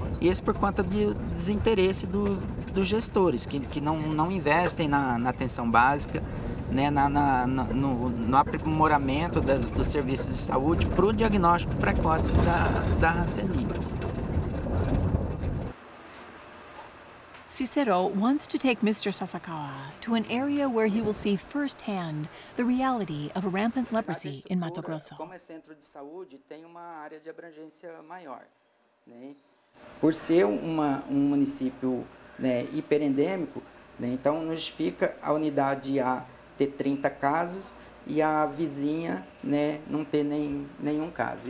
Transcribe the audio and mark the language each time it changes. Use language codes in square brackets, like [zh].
[pt] E isso por conta do desinteresse dos gestores, que não investem na atenção básica, né, no aprimoramento dos serviços de saúde para o diagnóstico precoce da Hanseníase. [en] Cicero wants to take Mr. Sasakawa to an area where he will see firsthand the reality of rampant leprosy in Mato Grosso. [pt] Como é centro de saúde, tem uma área de abrangência maior, né? Por ser um município, né, hiperendêmico, né, então justifica a unidade A ter 30 casos e a vizinha, né, não ter nenhum caso.